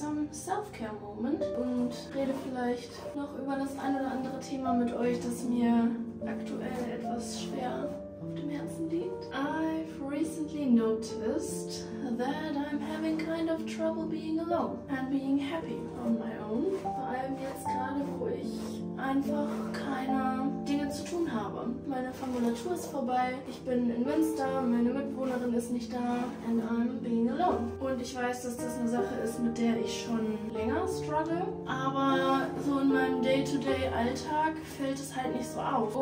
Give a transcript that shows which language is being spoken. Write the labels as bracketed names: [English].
[German] Self-Care-Moment und rede vielleicht noch über das ein oder andere Thema mit euch, das mir aktuell etwas schwer auf dem Herzen liegt. [English] I've recently noticed that I'm having kind of trouble being alone and being happy on my own. [German] Vor allem jetzt gerade, wo ich einfach keine Dinge zu tun habe. Meine Formulatur ist vorbei, ich bin in Münster, meine Mitbewohnerin ist nicht da [English] and I'm being alone. [German] Und ich weiß, dass das eine Sache ist, mit der ich schon länger struggle, aber so in meinem Day-to-Day-Alltag fällt es halt nicht so auf.